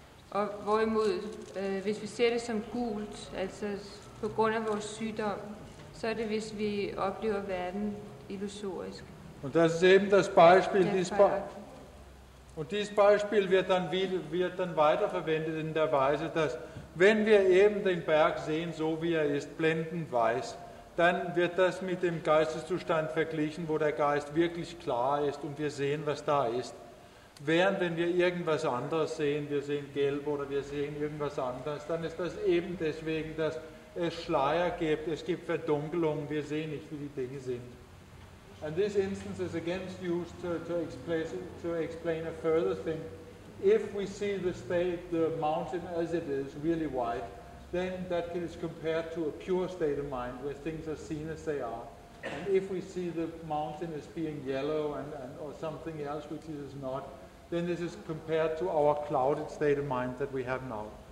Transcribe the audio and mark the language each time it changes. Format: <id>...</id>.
<da>Og hvorimod, hvis vi ser det som gult, altså på grund af vores sygdom, så er det, hvis vi oplever verden illusorisk. Og der er</da> <de>eben das Beispiel, die Spar... Und dieses Beispiel wird dann weiterverwendet in der Weise, dass wenn wir eben den Berg sehen, so wie er ist, blendend weiß, dann wird das mit dem Geisteszustand verglichen, wo der Geist wirklich klar ist und wir sehen, was da ist. Während wenn wir irgendwas anderes sehen, wir sehen gelb oder wir sehen irgendwas anderes, dann ist das eben deswegen, dass es Schleier gibt, es gibt Verdunkelungen, wir sehen nicht, wie die Dinge sind.</de> <en>And this instance is again used to explain a further thing. If we see the state, the mountain as it is, really white, then that is compared to a pure state of mind where things are seen as they are. And if we see the mountain as being yellow and or something else which it is not, then this is compared to our clouded state of mind that we have now.</en>